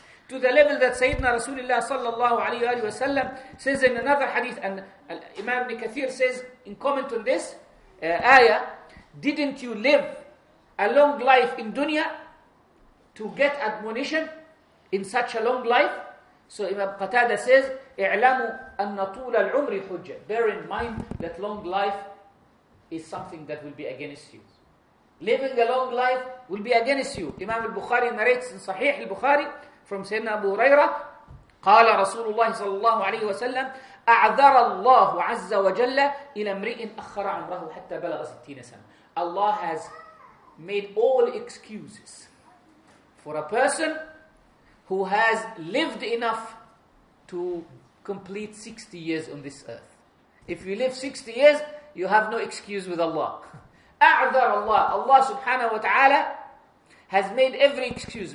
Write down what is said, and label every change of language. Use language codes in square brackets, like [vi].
[en] To the level that Sayyidina Rasulullah sallallahu alayhi wa sallam says in another hadith, and Imam Ibn Kathir says in comment on this ayah, didn't you live a long life in dunya to get admonition in such a long life? So Imam Qatada says, [ar] اعلموا أن طول العمر حجة. [en] Bear in mind that long life is something that will be against you. Living a long life will be against you. Imam al-Bukhari narrates in Sahih al-Bukhari, from Sayyidina Abu Huraira, [ar] قال رسول الله صلى الله عليه وسلم أعذر الله عز وجل إلى امرئ أخر عمره حتى بلغ 60 سنة. [en] Allah has made all excuses for a person who has lived enough to complete 60 years on this earth. If you live 60 years, you have no excuse with Allah. [ar] A'dhar Allah. [en] Allah subhanahu wa ta'ala has made every excuse.